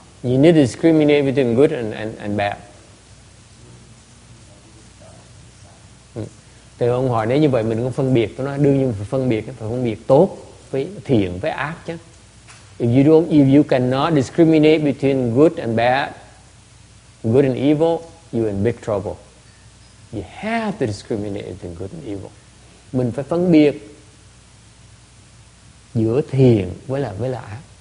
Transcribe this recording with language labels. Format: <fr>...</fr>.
<en>You need to discriminate between good and bad.</en> <vi>Thì ông hỏi nếu như vậy mình không phân biệt, tôi nói đương nhiên phải phân biệt tốt với thiện với ác chứ.</vi> <en>If you don't, if you cannot discriminate between good and bad, good and evil, you're in big trouble. You have to discriminate between good and evil.</en> <vi>Mình phải phân biệt giữa thiện với là ác.</vi>